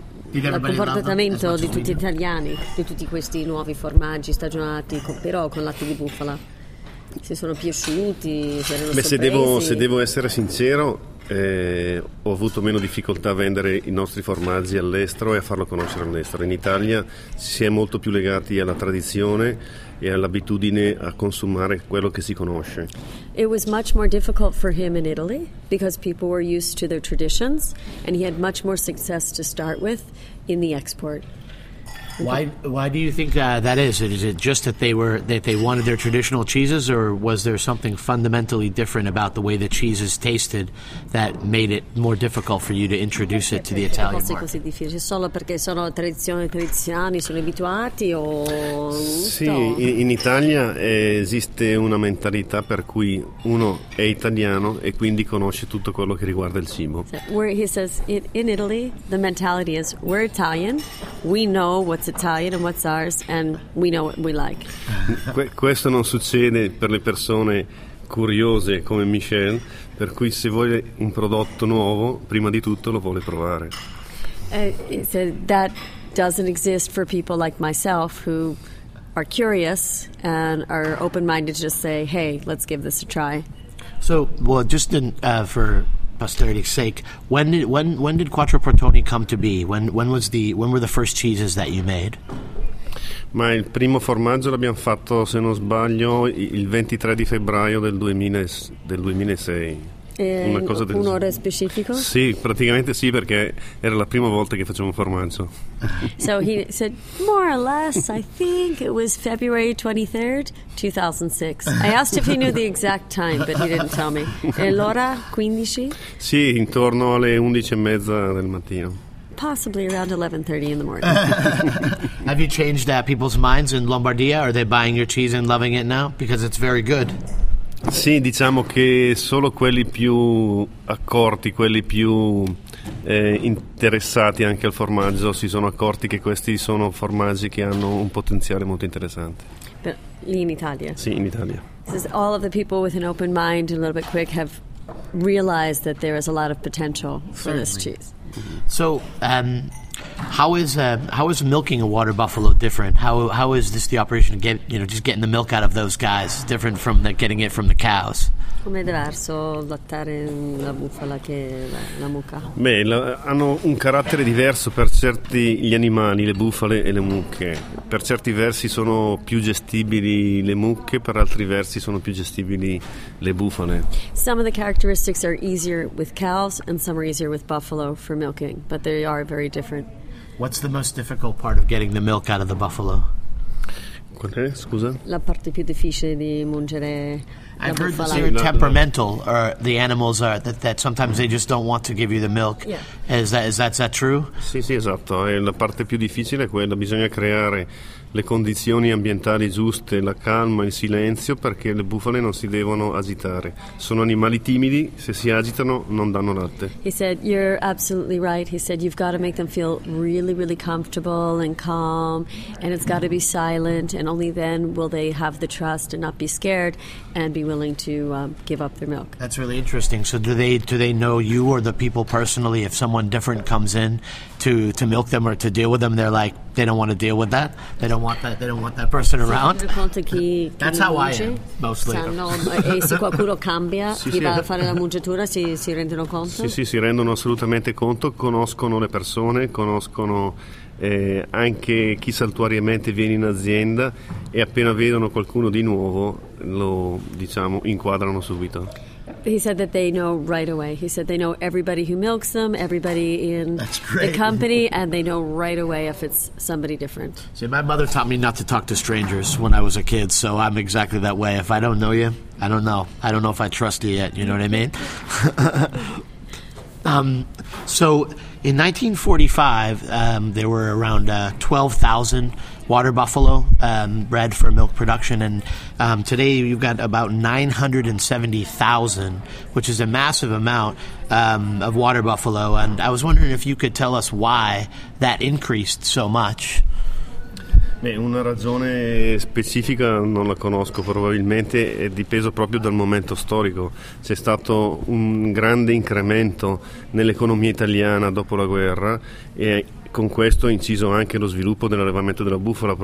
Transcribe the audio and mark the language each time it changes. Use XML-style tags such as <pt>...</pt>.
<it>Il comportamento di tutti gli italiani, di tutti questi nuovi formaggi stagionati, però con latte di bufala, si sono piaciuti, si erano sorpresi. Se devo essere sincero, ho avuto meno difficoltà a vendere i nostri formaggi all'estero e a farlo conoscere all'estero. In Italia si è molto più legati alla tradizione e all'abitudine a consumare quello che si conosce.</it> <en>It was much more difficult for him in Italy because people were used to their traditions and he had much more success to start with in the export. Why do you think that is? Is it just that they wanted their traditional cheeses, or was there something fundamentally different about the way the cheeses tasted that made it more difficult for you to introduce it to the Italian market?</en> <it>Così difficile solo perché sono tradizionali, sono abituati o sì, in Italia esiste una mentalità per cui uno è italiano e quindi conosce tutto quello che riguarda il cibo.</it> <en>Where he says in Italy the mentality is we're Italian, we know what's Italian and what's ours, and we know what we like.</en> <it>Questo non succede per le persone curiose come Michelle, per cui se vuole un prodotto nuovo, prima di tutto lo vuole provare.</it> <en>That doesn't exist for people like myself who are curious and are open-minded to just say, hey, let's give this a try. So, well, just in, for posterity's sake, when did Quattro Portoni come to be? When were the first cheeses that you made?</en> <it>Ma il primo formaggio l'abbiamo fatto, se non sbaglio, il 23 di febbraio del 2006. Una cosa del un'ora specifico? Sì, praticamente sì, perché era la prima volta che facevo un formaggio.</it> <en>So he said more or less, I think it was February 23rd, 2006. I asked if he knew the exact time, but he didn't tell me.</en> <it>E l'ora 15? Sì, intorno alle 11:30 del mattino. Possibly around 11:30 in the morning.</it> <en>Have you changed people's minds in Lombardia? Are they buying your cheese and loving it now? Because it's very good.</en> <it>Sì, diciamo che solo quelli più accorti, quelli più interessati anche al formaggio, si sono accorti che questi sono formaggi che hanno un potenziale molto interessante.</it> <en>But</en> <it>lì in Italia? Sì, in Italia.</it> <en>This is all of the people with an open mind and a little bit quick have realized that there is a lot of potential for certainly this cheese. So, how is milking a water buffalo different? How is this the operation to get, you know, just getting the milk out of those guys different from the, getting it from the cows?</en> <it>Come diverso lattare la bufala che la mucca? Beh, hanno un carattere diverso per certi gli animali, le bufale e le mucche. Per certi versi sono più gestibili le mucche, per altri versi sono più gestibili le bufale.</it> <en>Some of the characteristics are easier with cows and some are easier with buffalo for milking, but they are very different. What's the most difficult part of getting the milk out of the buffalo?</en> <it>Qual è, scusa? La parte più difficile di mungere.</it> <en>I've heard that they're temperamental, or the animals are, that sometimes they just don't want to give you the milk. Yeah. Is that true?</en> <it>Sì, sì, esatto. E la parte più difficile è quella. Bisogna creare le condizioni ambientali giuste, la calma, il silenzio, perché le bufale non si devono agitare. Sono animali timidi, se si agitano non danno latte.</it> <en>He said, you're absolutely right. He said, you've got to make them feel really, really comfortable and calm, and it's got to be silent, and only then will they have the trust and not be scared and be willing to give up their milk. That's really interesting. So do they know you or the people personally? If someone different comes in to milk them or to deal with them, they're like, they don't want to deal with that? They don't want that person around? That's how I am, mostly.</en> <it>E se qualcuno cambia, gli va a fare la mungitura, si rendono conto? Sì, sì, si rendono assolutamente conto, conoscono le persone, conoscono anche chi saltuariamente viene in azienda e appena vedono qualcuno di nuovo lo, diciamo, inquadrano subito.</it> <en>He said that they know right away. He said they know everybody who milks them, everybody in the company, and they know right away if it's somebody different. See, my mother taught me not to talk to strangers when I was a kid, so I'm exactly that way. If I don't know you, I don't know. I don't know if I trust you yet, you know what I mean? So in 1945, there were around 12,000 water buffalo bred for milk production, and today you've got about 970,000, which is a massive amount of water buffalo. And I was wondering if you could tell us why that increased so much.</en> <it>Beh, una ragione specifica non la conosco, probabilmente è dipeso proprio dal momento storico. C'è stato un grande incremento nell'economia italiana dopo la guerra e con questo è inciso anche lo sviluppo dell'allevamento della bufala.</it>